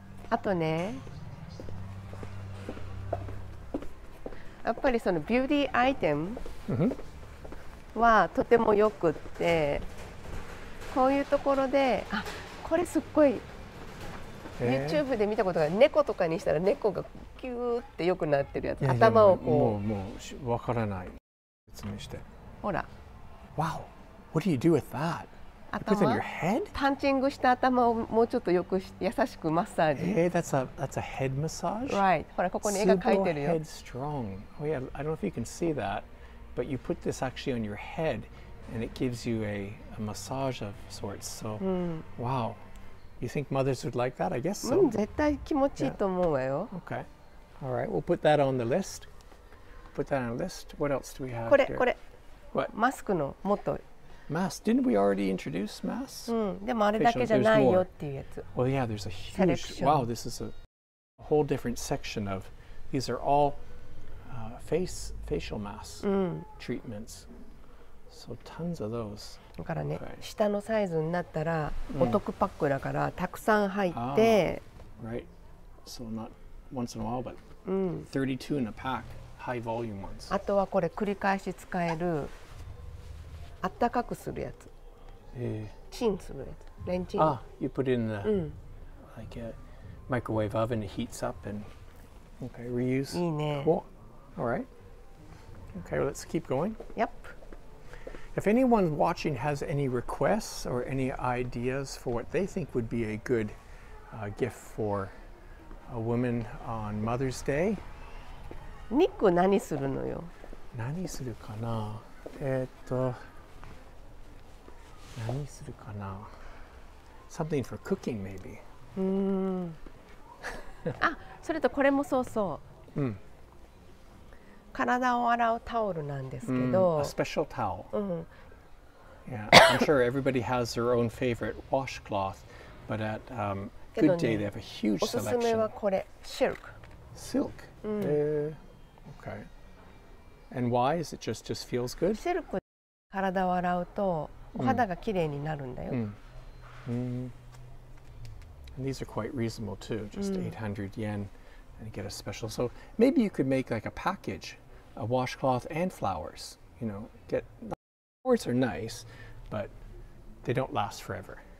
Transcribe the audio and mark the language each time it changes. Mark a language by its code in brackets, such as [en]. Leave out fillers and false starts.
[ja] あとね、やっぱりそのビューティーアイテムはとてもよくって、こういうところで、あ、これすっごい YouTube で見たことがある、猫とかにしたら猫がキューってよくなってるやつ、いやいや頭をこう、もう分からない、説明して。ほら。 [en] Wow, what do you do with that? [ja] 頭 [en] it in your head? [ja] パンチングした頭をもうちょっとよくし優しくマッサージ。 [en] Hey, that's a head massage? Right. [ja] ほら、ここに絵が描いてるよ。 [en] Super head strong. Oh yeah, I don't know if you can see that, but you put this actually on your head, and it gives you a massage of sorts. So,、wow. You think mothers would like that? I guess so. 絶対気持ちいいと思うわよ。 Yeah. Okay. All right, we'll put that on the list. Put that on the list. What else do we have [ja] これ、 [en] here? [ja] これ。 [en] What? [ja] マスクのもっと。 [en] Mask. Didn't we already introduce masks? [ja] でもあれだけじゃないよっていうやつ。 [en] Well, yeah, there's a huge... Wow, this is a whole different section of... These are all facial masks, treatments. So tons of those. [ja] だからね、下のサイズになったらお得パックだからたくさん入って。 [en] Right. So not once in a while, but 32 in a pack, high volume ones. [ja] あとはこれ繰り返し使える。あったかくするやつ、チンするやつ、レンチン。 [en] Ah, you put in the like a microwave oven, it heats up and okay, reuse. [ja] いいね。 [en] Cool. All right. Okay, well, let's keep going. Yep. If anyone watching has any requests or any ideas for what they think would be a good gift for a woman on Mother's Day. [ja] ニック何するのよ。何するかな。何するかな? [en] Something for cooking, maybe. [ja] あ、それとこれもそうそう。うん。体を洗うタオルなんですけど。 [en] A special towel. [ja] うん。 [en] Yeah, I'm sure everybody has their own favorite washcloth, but at GooDay they have a huge selection. [ja] おすすめはこれ、silk. [en] Silk? Okay. And why? Is it just feels good? [ja] Silk で体を洗うと、お肌がきれいになるんだよ。 [en] And these are quite reasonable too, just 800 yen and get a special. So maybe you could make like a package, a washcloth and flowers. You know, get flowers are nice, but they don't last forever.